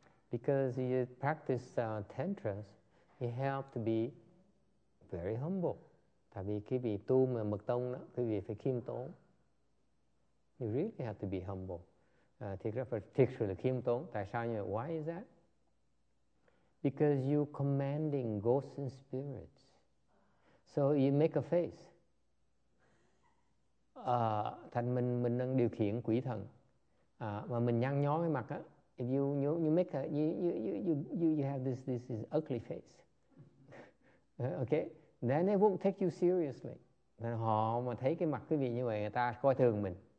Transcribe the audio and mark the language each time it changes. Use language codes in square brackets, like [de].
[en] Because you practice tantras, you have to be very humble. [vi] Tại vì cái việc tu mà mật tông đó, cái việc phải khiêm tốn. [en] You really have to be humble. [vi] Thiệt sự là khiêm tốn. Tại sao như vậy? [en] Why is that? Because you commanding ghosts and spirits. So you make a face. [vi] Thành mình đang điều khiển quỷ thần. Mà mình nhăn nhó cái mặt á. [en] If you make a, you have this ugly face. Okay? Then they won't take you seriously. Then [vi] họ mà thấy cái mặt cái vị như vậy, người ta coi thường mình.